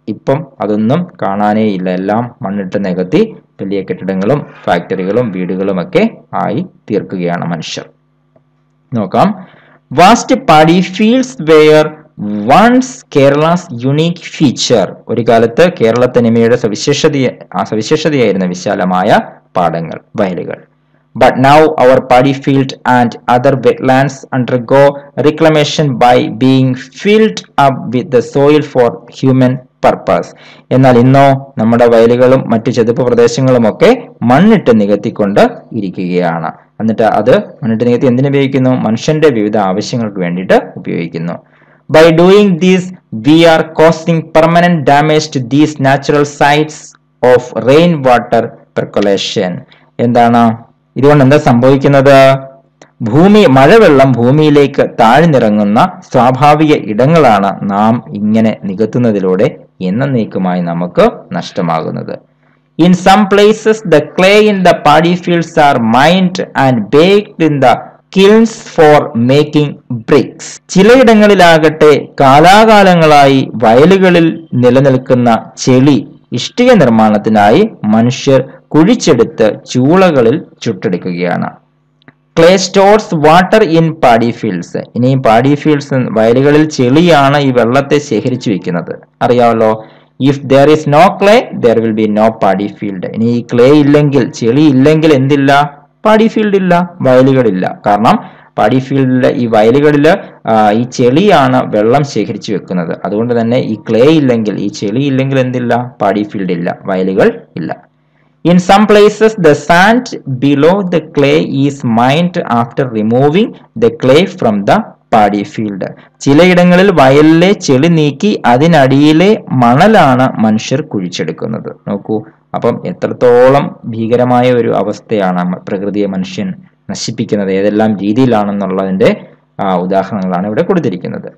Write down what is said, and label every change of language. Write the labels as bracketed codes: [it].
[ml] ഇപ്പം അതൊന്നും കാണാനേ ഇല്ല, എല്ലാം മണ്ണിട്ട് നികത്തി വലിയ കെട്ടിടങ്ങളും ഫാക്ടറികളും വീടുകളും ഒക്കെ ആയി തീർക്കുകയാണ് മനുഷ്യർ. നോക്കാം, [en] Vast paddy fields where once Kerala's unique feature. [ml] ഒരു കാലത്ത് കേരള തനിമയുടെ സവിശേഷതയായിരുന്നു വിശാലമായ പാടങ്ങൾ, വയലുകൾ. [en] But now our paddy field and other wetlands undergo reclamation by being filled up with the soil for human purpose. [ml] എന്നാൽ ഇന്നോ നമ്മുടെ വയലുകളും മറ്റു ചതുപ്പ് പ്രദേശങ്ങളും ഒക്കെ മണ്ണിട്ട് നികത്തിക്കൊണ്ട് ഇരിക്കുകയാണ്. എന്നിട്ട് അത് മണ്ണിട്ട് നികത്തി എന്തിനുപയോഗിക്കുന്നു? മനുഷ്യന്റെ വിവിധ ആവശ്യങ്ങൾക്ക് വേണ്ടിയിട്ട് ഉപയോഗിക്കുന്നു. [en] By doing this, we are causing permanent damage to these natural sites of rainwater percolation. [ml] എന്താണ് ഇതുകൊണ്ട് എന്താ സംഭവിക്കുന്നത്? ഭൂമി മഴവെള്ളം ഭൂമിയിലേക്ക് താഴ്ന്നിറങ്ങുന്ന സ്വാഭാവിക ഇടങ്ങളാണ് നാം ഇങ്ങനെ നികത്തുന്നതിലൂടെ എന്നേക്കുമായി നമുക്ക് നഷ്ടമാകുന്നത്. [en] In some places the clay in the paddy fields are mined and baked in the kilns for making bricks. [ml] ചിലയിടങ്ങളിലാകട്ടെ കാലാകാലങ്ങളായി വയലുകളിൽ നിലനിൽക്കുന്ന ചെളി ഇഷ്ടിക നിർമ്മാണത്തിനായി മനുഷ്യർ കുഴിച്ചെടുത്ത് ചൂളകളിൽ ചുട്ടെടുക്കുകയാണ്. [en] Clay stores water in paddy fields. [ml] ഇനിയും പാഡി ഫീൽഡ്സ് വയലുകളിൽ ചെളിയാണ് ഈ വെള്ളത്തെ ശേഖരിച്ചു വെക്കുന്നത്. അറിയാമല്ലോ, [en] If there is no clay there will be no paddy field. [ml] ഇനി ഈ ക്ലേ ഇല്ലെങ്കിൽ, ചെളി ഇല്ലെങ്കിൽ എന്തില്ല? പാഡി ഫീൽഡ് ഇല്ല, വയലുകളില്ല. കാരണം പാഡി ഫീൽഡിലെ ഈ വയലുകളിൽ ഈ ചെളിയാണ് വെള്ളം ശേഖരിച്ചു വെക്കുന്നത്. അതുകൊണ്ട് തന്നെ ഈ ക്ലേ ഇല്ലെങ്കിൽ, ഈ ചെളി ഇല്ലെങ്കിൽ എന്തില്ല? പാഡി ഫീൽഡ് ഇല്ല, വയലുകൾ ഇല്ല. [en] In some places, the sand below the clay is mined after removing the clay from the paddy field. [ml] ചിലയിടങ്ങളിൽ വയലിലെ ചെളി നീക്കി അതിനടിയിലെ മണലാണ് മനുഷ്യർ കുഴിച്ചെടുക്കുന്നത്. നോക്കൂ, അപ്പം എത്രത്തോളം ഭീകരമായ ഒരു അവസ്ഥയാണ് പ്രകൃതിയെ മനുഷ്യൻ നശിപ്പിക്കുന്നത്, ഏതെല്ലാം രീതിയിലാണെന്നുള്ളതിൻ്റെ ഉദാഹരണങ്ങളാണ് ഇവിടെ കൊടുത്തിരിക്കുന്നത്.